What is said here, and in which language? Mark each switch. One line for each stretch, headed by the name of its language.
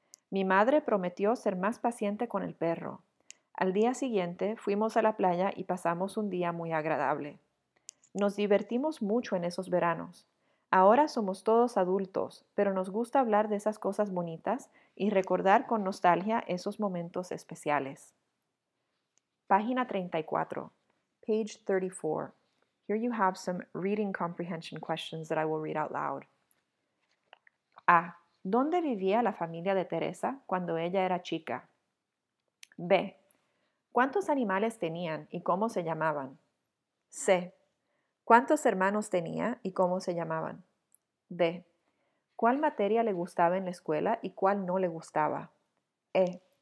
Spanish: Mi madre prometió ser más paciente con el perro. Al día siguiente fuimos a la playa y pasamos un día muy agradable. Nos divertimos mucho en esos veranos. Ahora somos todos adultos, pero nos gusta hablar de esas cosas bonitas y recordar con nostalgia esos momentos especiales. Página 34.
English: Page 34. Here you have some reading comprehension questions that I will read out loud. A.
Spanish: ¿Dónde vivía la familia de Teresa cuando ella era chica? B. ¿Cuántos animales tenían y cómo se llamaban? C. ¿Cuántos hermanos tenía y cómo se llamaban? D. ¿Cuál materia le gustaba en la escuela y cuál no le gustaba? E.